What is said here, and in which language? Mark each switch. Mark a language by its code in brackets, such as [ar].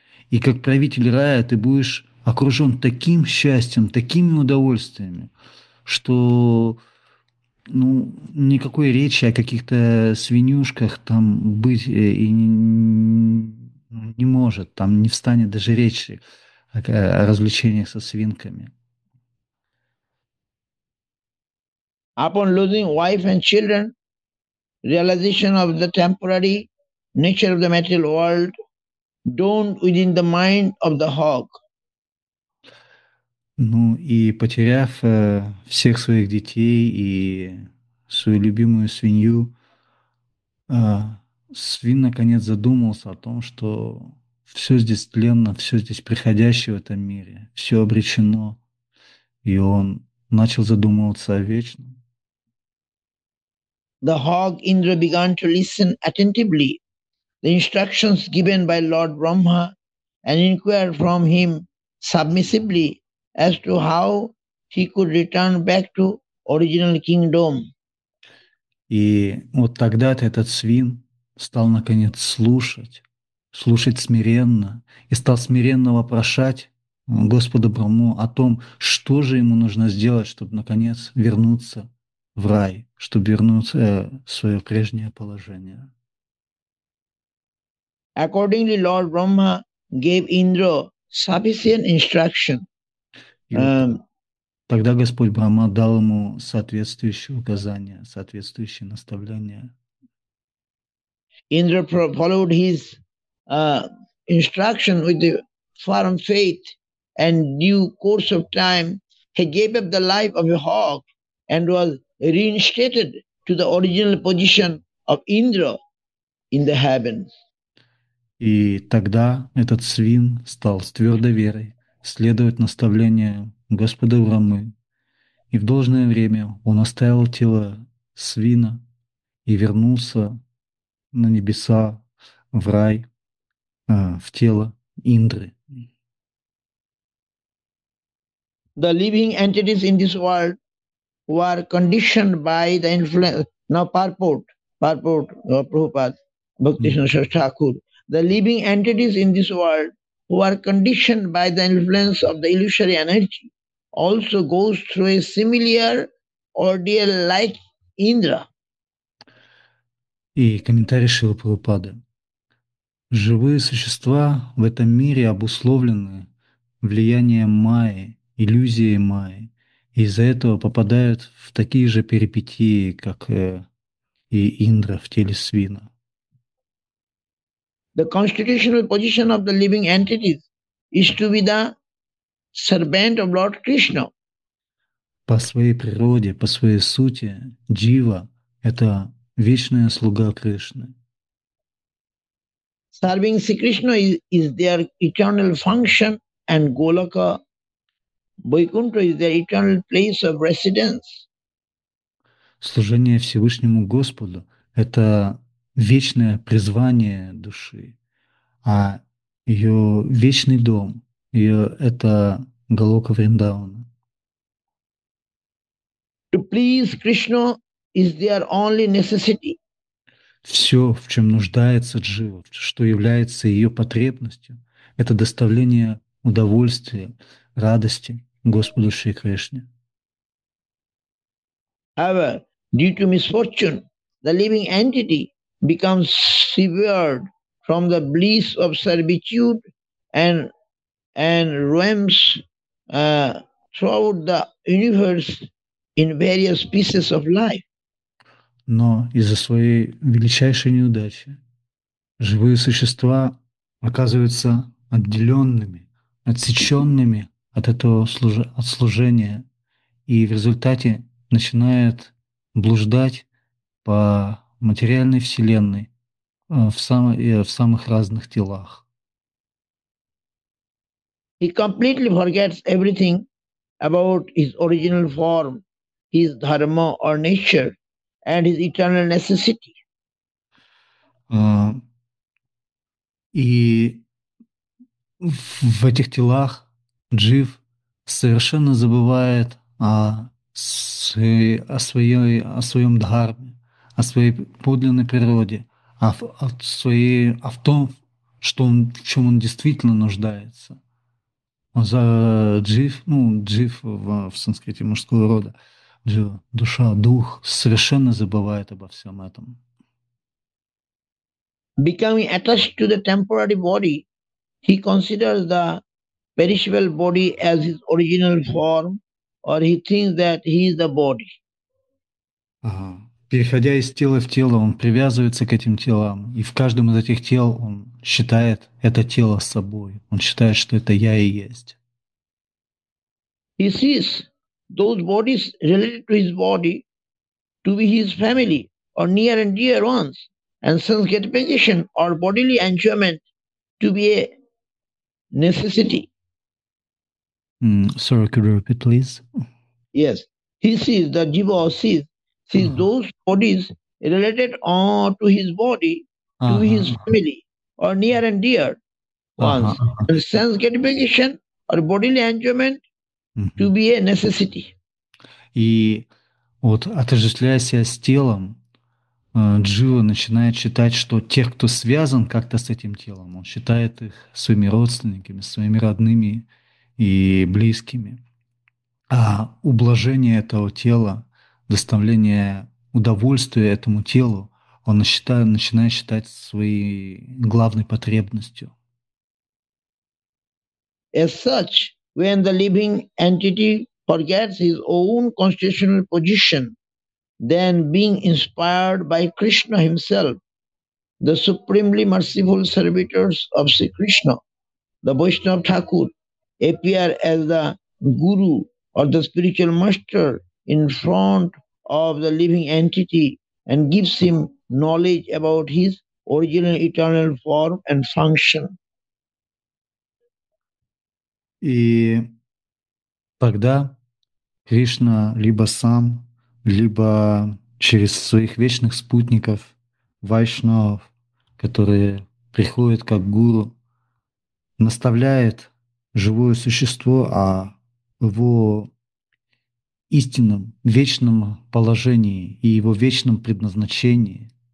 [ru] И как правитель рая ты будешь окружен таким счастьем, такими удовольствиями, что ну, никакой речи о каких-то свинюшках там быть и не может. Там не встанет даже речи о развлечениях со свинками. [en] Upon losing wife and children, realization of the temporary nature of the material world dawned within the mind of the hog. [ru] Ну и потеряв всех своих детей и свою любимую свинью, свин наконец задумался о том, что все здесь тленно, все здесь приходящее в этом мире, все обречено, и он начал задумываться о вечном. [en] The hog Indra began to listen attentively the instructions given by Lord Brahma and inquired from him submissively as to how he could return back to original kingdom. [ru] И вот тогда-то этот свин стал наконец слушать смиренно и стал смиренно вопрошать Господа Брахму о том, что же ему нужно сделать, чтобы наконец вернуться в рай, чтобы вернуться в свое прежнее положение. [en] Accordingly, Lord Brahma gave Indra sufficient instruction. [ru] Тогда Господь Брахма дал ему соответствующее указание, соответствующее наставление. [en] Indra followed his instruction with the firm faith and due course of time, he gave up the life of a hog and was reinstated to the original position of Indra in the heavens. [ru] И тогда этот свин стал с твердой верой следовать наставлениям Господа Брахмы. И в должное время он оставил тело свина и вернулся на небеса, в рай, в тело Индры. [en] The living entities in this world were conditioned by the influence. Now, Purport, Prabhupada, Bhaktisiddhanta Saraswati Thakur. The living entities in this world who are conditioned by the influence of the illusory energy also goes through a similar ordeal like Indra. [ru] И комментарий Шрилы Прабхупады. Живые существа в этом мире обусловлены влиянием Майи, иллюзией Майи, и из-за этого попадают в такие же перипетии, как и Индра в теле свина. [en] The constitutional position of the living entities is to be the servant of Lord Krishna. [ru] По своей природе, по своей сути, джива — это вечная слуга Кришны. [en] Serving Sri Krishna is their eternal function and Goloka Vaikuntha is their eternal place of residence. [ru] Служение Всевышнему Господу — это вечное призвание души. А ее вечный дом, ее это Голока Вриндавана. [en] To please Krishna is their only necessity. [ru] Все, в чем нуждается джива, что является ее потребностью, это доставление удовольствия, радости Господу Шри Кришне. [en] However, due to misfortune, the living entity becomes severed from the bliss of servitude and roams throughout the universe in various pieces of life. [ru] Но из-за своей величайшей неудачи живые существа оказываются отделенными, отсеченными от этого от служения и в результате начинают блуждать по материальной вселенной в самых разных телах. [en] He completely forgets everything about his original form, his dharma or nature, and his eternal necessity. [ru] И в этих телах джив совершенно забывает о своем дхарме, о своей подлинной природе, о том, что он, в чем он действительно нуждается. За джив, ну, джив в санскрите мужского рода, джива, душа, дух совершенно забывает обо всем этом. [en] Becoming attached to the temporary body, he considers the perishable body as his original form, or he thinks that he is the body. [ru] Переходя из тела в тело, он привязывается к этим телам, и в каждом из этих тел он считает это тело собой. Он считает, что это я и есть. [en] He sees those bodies related to his body to be his family or near and dear ones, and sense gratification or bodily enjoyment to be a necessity. Sorry, could you repeat, please? Yes. He sees, the jiva sees those bodies related to his body, to his family, or near and dear ones. And sense gratification or bodily enjoyment to be a necessity. [ru] И вот, отождествляя себя с телом, Джива начинает считать, что тех, кто связан как-то с этим телом, он считает их своими родственниками, своими родными и близкими. А ублажение этого тела, доставление удовольствия этому телу, он начинает считать своей главной потребностью. [en] As such, when the living entity forgets his own constitutional position, then being inspired by Krishna himself, the supremely merciful servitors of Sri Krishna, the Vaishnava Thakur, appear as the guru or the spiritual master in front of the living entity and gives him knowledge about his original eternal form and function. [ru] И тогда Кришна либо сам, либо через своих вечных спутников, вайшнавов, которые приходят как гуру, наставляет живое существо о его истинном, вечном положении и его вечном предназначении.